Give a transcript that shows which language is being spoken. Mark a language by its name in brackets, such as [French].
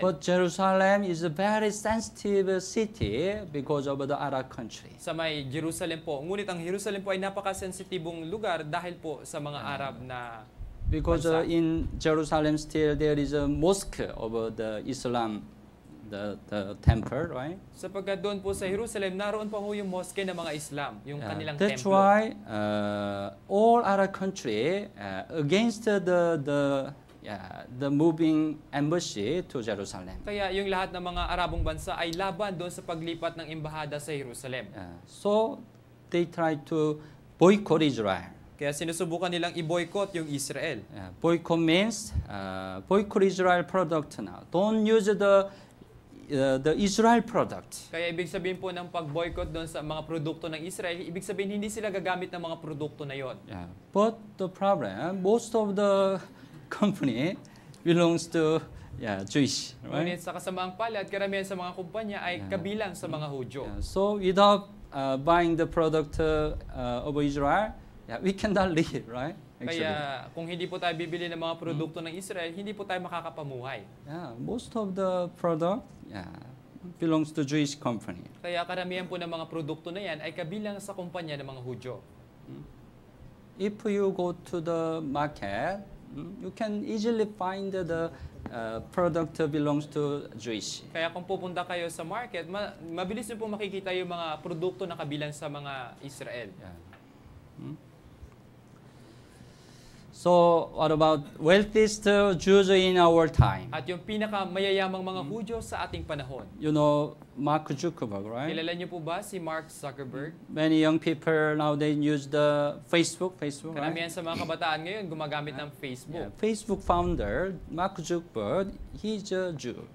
[English] But Jerusalem is a very sensitive city because of the Arab country. [Filipino] Sa may Jerusalem po. Ngunit ang Jerusalem po ay napaka-sensitibong lugar dahil po sa mga Arab na... [English] Because in Jerusalem still there is a mosque of the Islam. The temple, right? [Filipino] Sapagkat doon po sa Jerusalem, naroon pa po yung mosque ng mga Islam, yung kanilang [English] temple. That's why all Arab country against the moving embassy to Jerusalem. [Filipino] Kaya yung lahat ng mga Arabong bansa ay laban doon sa paglipat ng embahada sa Jerusalem. [English] So, they tried to boycott Israel. [Filipino] Kaya sinusubukan nilang i-boycott yung Israel. [English] Boycott means boycott Israel product now. Don't use the Israel product. [Filipino] Kaya ibig sabihin po ng pag-boycott doon sa mga produkto ng Israel, ibig sabihin hindi sila gagamit ng mga produkto na yon. [English] Yeah. But the problem, most of the company belongs to Jewish, right? [Filipino] Ngunit sa kasamaang palad, karamihan sa mga kumpanya ay kabilang sa mga Hudyo. [English] So without buying the product of Israel, we cannot live, right? Actually. [Filipino] Kaya kung hindi po tayo bibili ng mga produkto ng Israel, hindi po tayo makakapamuhay. [English] Most of the product belongs to Jewish company. [Filipino] Kaya karamihan po ng mga produkto na yan ay kabilang sa kumpanya ng mga Hudyo. [English] If you go to the market, you can easily find the product belongs to Jewish. [Filipino] Kaya kung pupunta kayo sa market, mabilis niyo po makikita yung mga produkto na kabilang sa mga Israel. [English] So, what about wealthiest Jews in our time? [Filipino] At yung pinakamayayamang mga Hudyo sa ating panahon. [English] You know, Mark Zuckerberg, right? [Filipino] Kilala niyo po ba si Mark Zuckerberg? [English] Many young people nowadays use the Facebook, right? [Filipino] Karamihan sa mga kabataan ngayon gumagamit ng Facebook. [English] Yeah. Facebook founder, Mark Zuckerberg, he's a Jew.